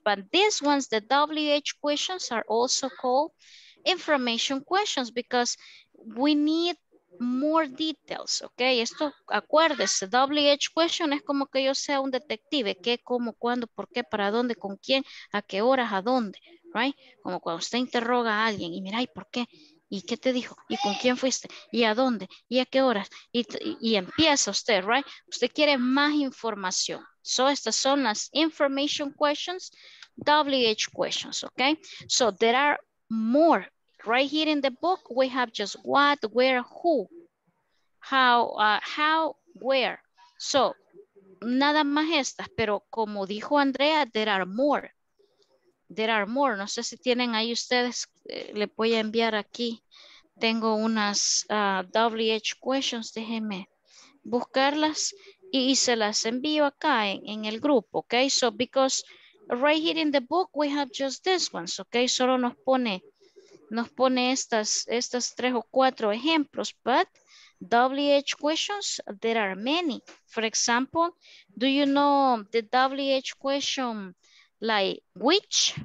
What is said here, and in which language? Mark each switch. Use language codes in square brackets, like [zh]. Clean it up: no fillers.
[en] But these ones, the WH questions, are also called information questions because we need more details, okay? [es] Esto, acuérdese, WH question es como que yo sea un detective, qué, cómo, cuándo, por qué, para dónde, con quién, a qué horas, a dónde, right? Como cuando usted interroga a alguien y mira, ¿y por qué? ¿Y qué te dijo? ¿Y con quién fuiste? ¿Y a dónde? ¿Y a qué horas? Y empieza usted, right? Usted quiere más información. So, estas son las information questions, WH questions, okay? [en] So, there are more. Right here in the book, we have just what, where, who, how, where. [es] So, nada más estas, pero como dijo Andrea, [en] there are more. There are more. [es] No sé si tienen ahí ustedes, le voy a enviar aquí. Tengo unas WH questions, déjenme buscarlas y se las envío acá en el grupo, okay? [en] So, because right here in the book, we have just these ones, okay? [es] Solo nos pone estas tres o cuatro ejemplos, [en] but WH questions, there are many. For example, do you know the WH question like which?